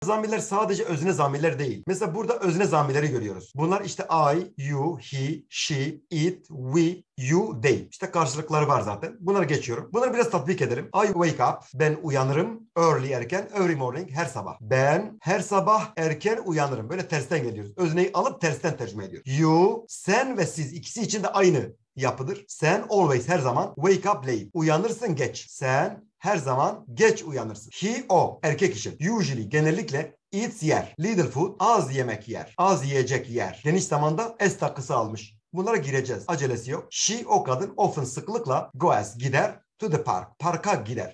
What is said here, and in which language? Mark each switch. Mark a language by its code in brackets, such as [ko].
[tr] Zamirler sadece özne zamirler değil. Mesela burada özne zamirleri görüyoruz. Bunlar işte I, you, he, she, it, we, you, they. İşte karşılıkları var zaten. Bunları geçiyorum. Bunları biraz tatbik edelim. [en] I wake up. [tr] Ben uyanırım. Early erken. Every morning. Her sabah. Ben her sabah erken uyanırım. Böyle tersten geliyoruz. Özneyi alıp tersten tercüme ediyoruz. You, sen ve siz ikisi için de aynı yapıdır. Sen always, her zaman, [en] wake up late. [tr] Uyanırsın geç. Sen her zaman geç uyanırsın. He, o, erkek için. Usually, genellikle, eats yer. Little food, az yemek yer. Az yiyecek yer. Geniş zamanda s takısı almış. Bunlara gireceğiz. Acelesi yok. She, o kadın, often, sıklıkla, goes, gider, [en] to the park. [tr] Parka gider.